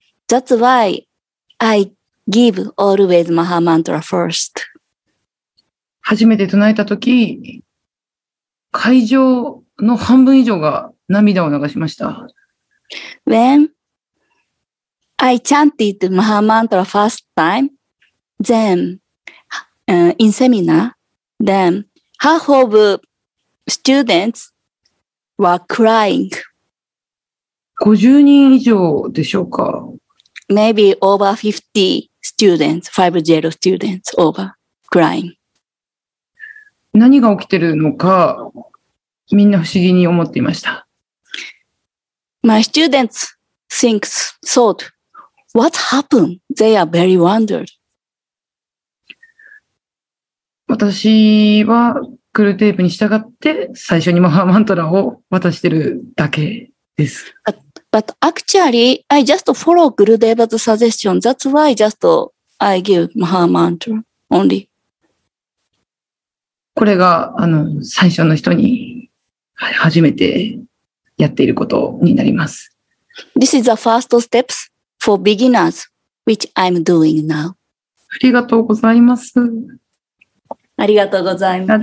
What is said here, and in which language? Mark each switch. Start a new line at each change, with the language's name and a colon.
English: That's why I give always Maha Mantra first.
Japanese: 初めて唱えたとき、会場の半分以上が涙を流しました。
English: When I chanted Maha Mantra first time, then in seminar, then half of students were crying.
Japanese: 50人以上でしょうか。
English: Maybe over 50 students, 50 students over crying.
Japanese: 何が起きてるのか、みんな不思議に思っていました。
English: My students thought, what happened? They are very wondered.
Japanese: 私はクルテープに従って最初にマハーマントラを渡してるだけです。
English: But actually, I just follow Gurudeva's suggestion. That's why just I give Maha Mantra only.
Japanese: これが最初の人に初めてやっていることになります。
English: This is the first steps for beginners, which I'm doing now.
Japanese: ありがとうございます。ありがとうございます。